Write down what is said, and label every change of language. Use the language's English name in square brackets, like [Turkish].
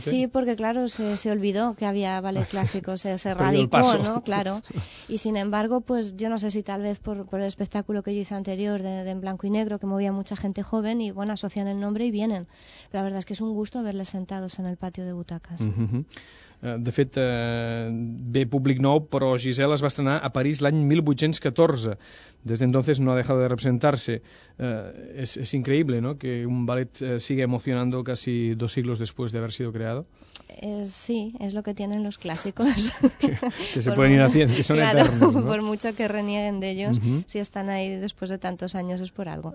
[Spanish] Sí, porque claro, se olvidó que había ballet clásico, se radicó, ¿no? Claro. Y sin embargo, pues yo no sé si tal vez por el espectáculo que yo hice anterior de en blanco y negro, que movía mucha gente joven, y bueno, asocian el nombre y vienen. Pero la verdad es que es un gusto verles sentados en el patio de butacas. [Catalan] De fet, ve públic nou, però Giselle es va estrenar a París l'any 1814. Des d'entonces no ha deixat de representar-se. És increïble, [Spanish] ¿no?, que un ballet siga emocionando casi dos siglos después de haver sido creado. Sí, es lo que tienen los clásicos. Que se pueden ir haciendo, que son claro, eternos, ¿no? Por mucho que renieguen de ellos, si están ahí después de tantos años es por algo.